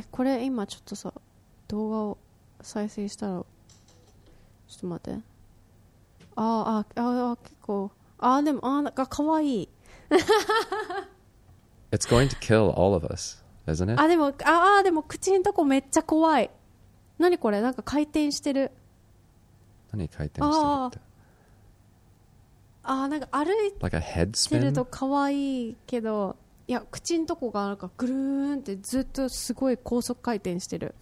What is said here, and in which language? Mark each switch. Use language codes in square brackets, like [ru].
[ja] これ今ちょっとさ、動画を再生したら、ちょっと待って。ああ、結構。ああ、でも、ああ、なんかかわいい。 [en] It's going to kill all of us, isn't it? [ja] あ、でも、ああ、でも、口のとこめっちゃ怖い。何これ？なんか回転してる。何回転してるって。ああ、なんか歩いて、 [en] like、a head spin? [ja] るとかわいいけど、いや、口のとこがなんかぐるーんってずっとすごい高速回転してる。